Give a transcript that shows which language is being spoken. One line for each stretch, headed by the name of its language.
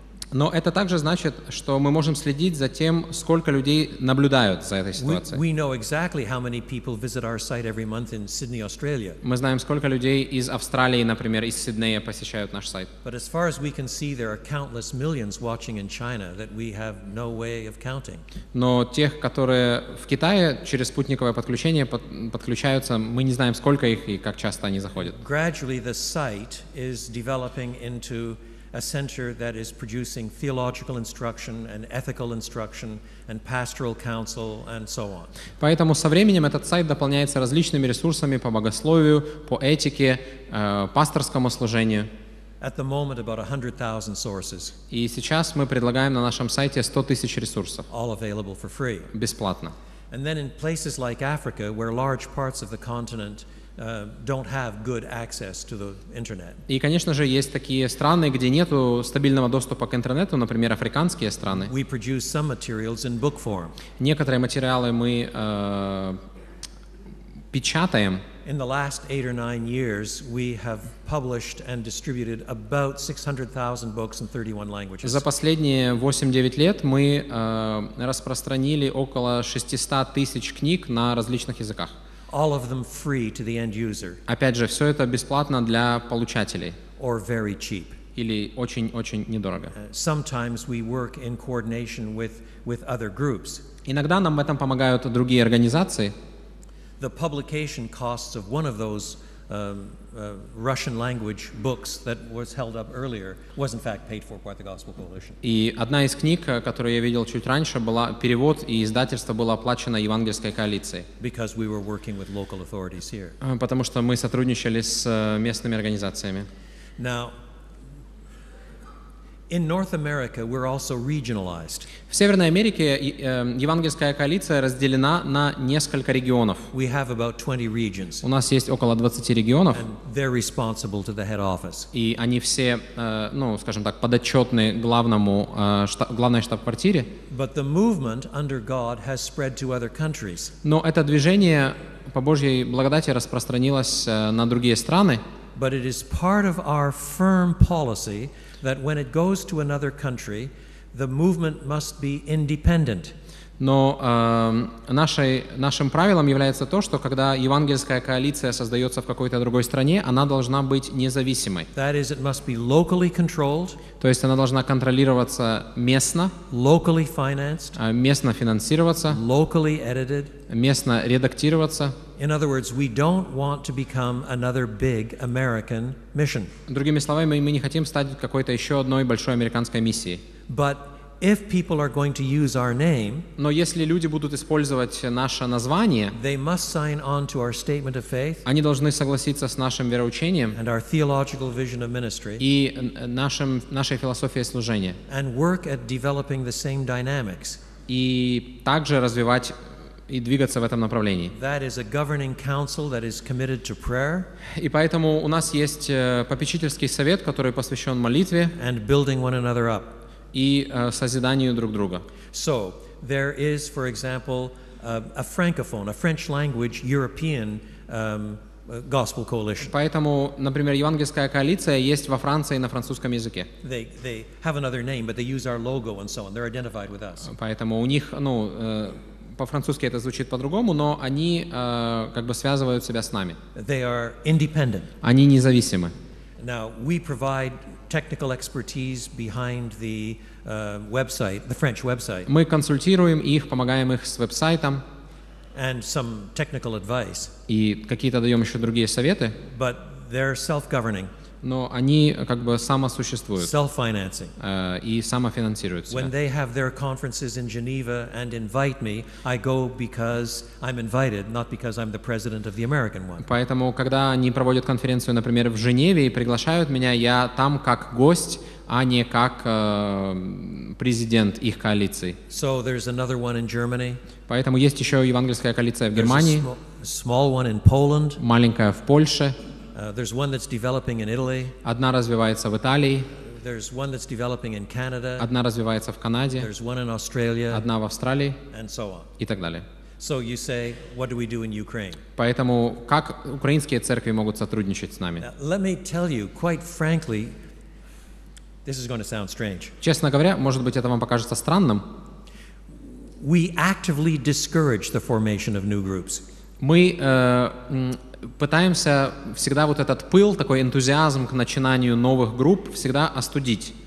Russian: Но это также значит, что мы можем следить за тем, сколько людей наблюдают за этой ситуацией.
English: We know exactly how many people visit our site every month in Sydney, Australia.
Russian: Мы знаем, сколько людей из Австралии, например, из Сиднея посещают наш сайт.
English: But as far as we can see, there are countless millions watching in China that we have no way of counting.
Russian: Но тех, которые в Китае через спутниковое подключение подключаются, мы не знаем, сколько их и как часто они заходят.
English: Gradually, the site is developing into a center that is producing theological instruction and ethical instruction and pastoral counsel and so on.
Russian: Поэтому со временем этот сайт дополняется различными ресурсами по богословию, по этике, пасторскому служению.
English: at the moment about 100,000 sources.
Russian: И сейчас мы предлагаем на нашем сайте 100,000 ресурсов.
English: All available for free.
Russian: Бесплатно.
English: And then in places like Africa, where large parts of the continent don't have good access to the internet.
Russian: И, конечно же, есть такие страны, где нету стабильного доступа к интернету, например, африканские страны.
English: We produce some materials in book form.
Russian: Некоторые материалы мы печатаем.
English: In the last 8 or 9 years, we have published and distributed about 600,000 books in 31 languages.
Russian: За последние 8-9 лет мы распространили около 600,000 книг на различных языках.
English: All of them free to the end user.
Russian: Опять же, все это бесплатно для получателей.
English: Or very cheap.
Russian: Или очень-очень недорого.
English: Sometimes we work in coordination with other groups.
Russian: Иногда нам в этом помогают другие организации.
English: The publication costs of one of those Russian language books that was held up earlier was in fact paid for by the Gospel Coalition.
Russian: И одна из книг, которую я видел чуть раньше, была перевод и издательство было оплачено Евангельской коалицией.
English: Because we were working with local authorities here.
Russian: Потому что мы сотрудничали с местными организациями.
English: Now, in North America, we're also regionalized.
Russian: В Северной Америке Евангельская коалиция разделена на несколько регионов.
English: We have about 20 regions.
Russian: У нас есть около 20 регионов.
English: And they're responsible to the head office.
Russian: И они все, ну, скажем так, подотчетны главному главной штаб-квартире.
English: But the movement under God has spread to other countries.
Russian: Но это движение по Божьей благодати распространилось на другие страны.
English: But it is part of our firm policy that when it goes to another country, the movement must be independent.
Russian: Но нашим правилом является то, что когда евангельская коалиция создается в какой-то другой стране, она должна быть независимой.
English: That is, it must be locally controlled.
Russian: То есть она должна контролироваться местно.
English: Locally financed.
Russian: Местно финансироваться.
English: Locally edited.
Russian: Местно редактироваться.
English: In other words, we don't want to become another big American mission.
Russian: Другими словами, мы не хотим стать какой-то еще одной большой американской миссией.
English: But if people are going to use our name,
Russian: но если люди будут использовать наше название,
English: they must sign on to our statement of faith.
Russian: Они должны согласиться с нашим вероучением
English: and our theological vision of ministry.
Russian: И нашей философией служения.
English: And work at developing the same dynamics.
Russian: И также развивать и двигаться в этом направлении.
English: That is a governing council that is committed to prayer.
Russian: И поэтому у нас есть попечительский совет, который посвящен молитве
English: and building one another up.
Russian: И созиданию друг друга.
English: So, there is, for example, a francophone, a French language European gospel coalition.
Russian: Поэтому, например, евангельская коалиция есть во Франции на французском языке.
English: They have another name, but they use our logo and so on. They're identified with us.
Russian: Поэтому у них, ну, по-французски это звучит по-другому, но они как бы связывают себя с нами.
English: They are independent.
Russian: Они независимы.
English: Now, we provide technical expertise behind the website, the French website.
Russian: Мы консультируем их, помогаем их с веб-сайтом.
English: And some technical advice.
Russian: И какие-то даем еще другие советы.
English: But they're self-governing.
Russian: Но они как бы самосуществуют.
English: Self-financing.
Russian: И самофинансируют себя.
English: When they have their conferences in Geneva and invite me, I go because I'm invited, not because I'm the president of the American one.
Russian: Поэтому, когда они проводят конференцию, например, в Женеве и приглашают меня, я там как гость, а не как президент их коалиции.
English: So there's another one in Germany.
Russian: Поэтому есть еще евангельская коалиция в Германии.
English: There's a small one in Poland.
Russian: Маленькая в Польше.
English: There's one that's developing in Italy.
Russian: Одна развивается в Италии.
English: There's one that's developing in Canada.
Russian: Одна развивается в Канаде.
English: There's one in Australia.
Russian: Одна в Австралии.
English: And so on.
Russian: И так далее.
English: So you say, what do we do in Ukraine?
Russian: Поэтому как украинские церкви могут сотрудничать с нами?
English: Now, let me tell you, quite frankly, this is going to sound strange.
Russian: Честно говоря, может быть, это вам покажется странным.
English: We actively discourage the formation of new groups.
Russian: Мы пытаемся всегда вот этот пыл, такой энтузиазм к начинанию новых групп, всегда остудить.